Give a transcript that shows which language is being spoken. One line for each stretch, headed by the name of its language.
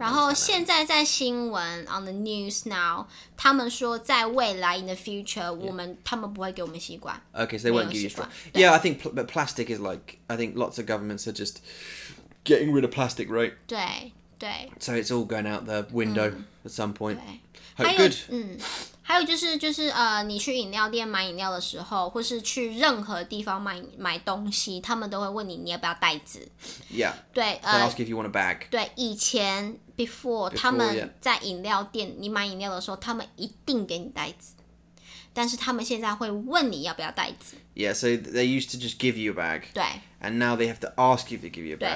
Chinese: 然后现在在新闻,
English: on the news now,
Chinese: 他们说在未来,
English: in the future,
Chinese: 我们,
English: yeah.
Chinese: 他们不会给我们吸管.
English: Okay, so they won't give you straw. Yeah, I think but plastic is like, I think lots of governments are just getting rid of plastic, right?
Chinese: 对, 对。
English: So it's all going out the window at some point.
Chinese: 对。
English: Oh, good.
Chinese: 还有就是你去饮料店买饮料的时候，或是去任何地方买东西，他们都会问你要不要袋子。
English: Yeah.
Chinese: 对。
English: They ask if you want a bag.
Chinese: 对，以前 before 他们在饮料店你买饮料的时候，他们一定给你袋子。但是他们现在会问你要不要袋子。
English: Yeah, so they used to just give you a bag.
Chinese: 对。
English: And now they have to ask if they give you a bag.